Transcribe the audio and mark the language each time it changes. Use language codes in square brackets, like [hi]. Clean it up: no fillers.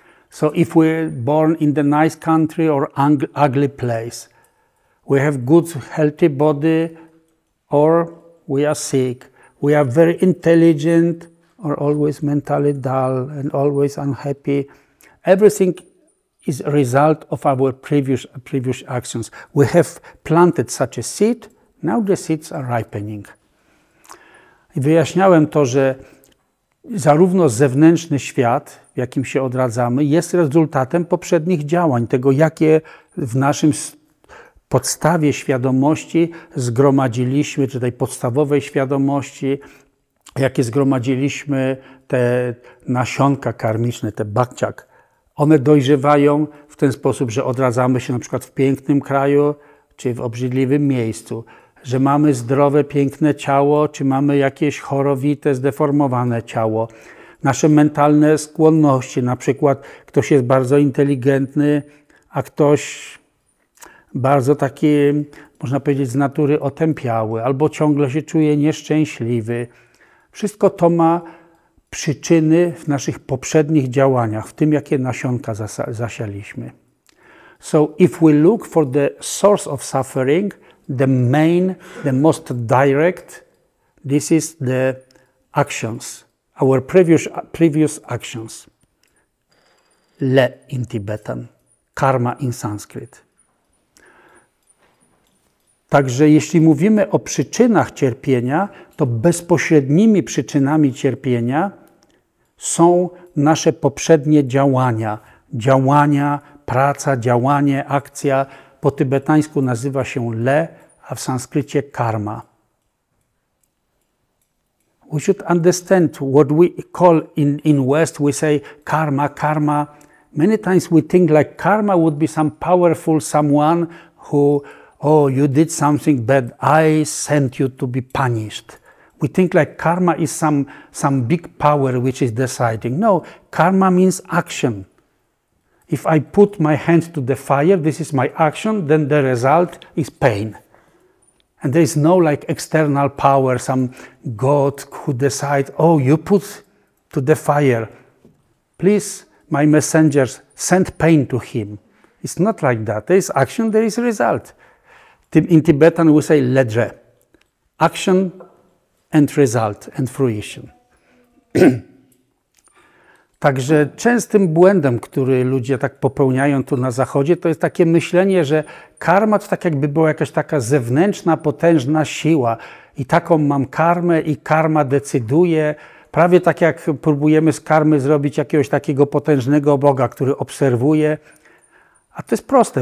[en] So if we're born in the nice country or ugly place, we have good, healthy body, or we are sick, we are very intelligent, or always mentally dull and always unhappy, everything is a result of our previous actions. We have planted such a seed, now the seeds are ripening. [pl] I wyjaśniałem to, że zarówno zewnętrzny świat, w jakim się odradzamy, jest rezultatem poprzednich działań, tego, jakie w naszym podstawie świadomości zgromadziliśmy, czy tej podstawowej świadomości, jakie zgromadziliśmy, te nasionka karmiczne, te bakciak, one dojrzewają w ten sposób, że odradzamy się na przykład w pięknym kraju, czy w obrzydliwym miejscu, że mamy zdrowe, piękne ciało, czy mamy jakieś chorowite, zdeformowane ciało. Nasze mentalne skłonności, na przykład ktoś jest bardzo inteligentny, a ktoś bardzo taki, można powiedzieć, z natury otępiały, albo ciągle się czuje nieszczęśliwy. Wszystko to ma przyczyny w naszych poprzednich działaniach, w tym, jakie nasionka zasialiśmy. [en] So if we look for the source of suffering, the main, the most direct, this is the actions, our previous actions. Le in Tibetan, karma in Sanskrit. [pl] Także jeśli mówimy o przyczynach cierpienia, to bezpośrednimi przyczynami cierpienia są nasze poprzednie działania. Działania, praca, działanie, akcja. Po tybetańsku nazywa się le, a w sanskrycie karma. [en] We should understand what we call in West, we say karma, karma. Many times we think like karma would be some powerful someone who, oh, you did something bad, I sent you to be punished. We think like karma is some big power which is deciding. No, karma means action. If I put my hand to the fire, this is my action, then the result is pain. And there is no like external power, some God who decides, oh, you put to the fire. Please, my messengers, send pain to him. It's not like that. There is action, there is result. In Tibetan we say ledre, action and result, and fruition. [pl] Także częstym błędem, który ludzie tak popełniają tu na Zachodzie, to jest takie myślenie, że karma to tak jakby była jakaś taka zewnętrzna, potężna siła. I taką mam karmę i karma decyduje. Prawie tak jak próbujemy z karmy zrobić jakiegoś takiego potężnego Boga, który obserwuje. A to jest proste.